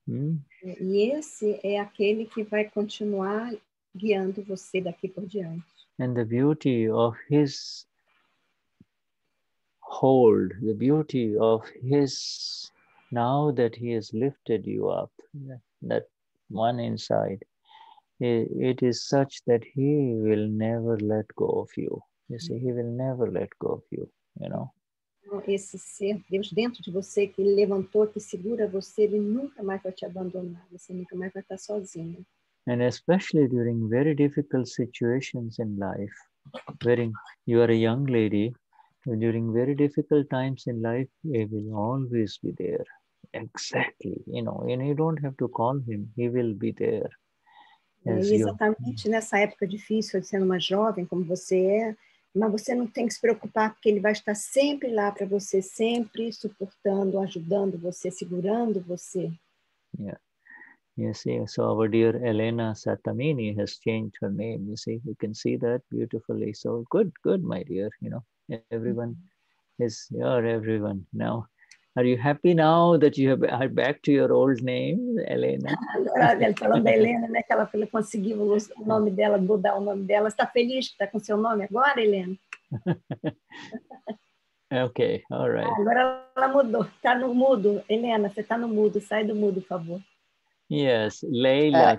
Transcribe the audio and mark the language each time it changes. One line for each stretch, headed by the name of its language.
Portuguese: Mm-hmm. E esse é aquele que vai continuar guiando você daqui por diante.
English: And the beauty of his hold, the beauty of his... Now that he has lifted you up, that one inside, it is such that he will never let go of you. You see, he will never let go of you, you know.
Portuguese: Esse ser, Deus dentro de você, que levantou, que segura você, ele nunca mais vai te abandonar, você nunca mais vai estar sozinho.
English: And especially during very difficult situations in life, when you are a young lady, during very difficult times in life, he will always be there. Exactly, you know, and you don't have to call him, he will be there.
Portuguese: Exatamente nessa época difícil, sendo uma jovem como você é, mas você não tem que se preocupar, porque ele vai estar sempre lá para você, sempre suportando, ajudando você, segurando você.
English: Yeah, you see, so our dear Helena Satamini has changed her name, you see, you can see that beautifully. So good, my dear, you know, everyone is your everyone now. Are you happy now that you have are back to your old name, Helena?
Portuguese: Agora, falando da Helena, né, que ela conseguiu o nome dela, mudar o nome dela. Está feliz que está com seu nome agora, Helena?
English: Okay, all right.
Portuguese: Agora ela mudou, está no mudo. Helena, você está no mudo, sai do mudo, por favor.
English: Yes, Leila.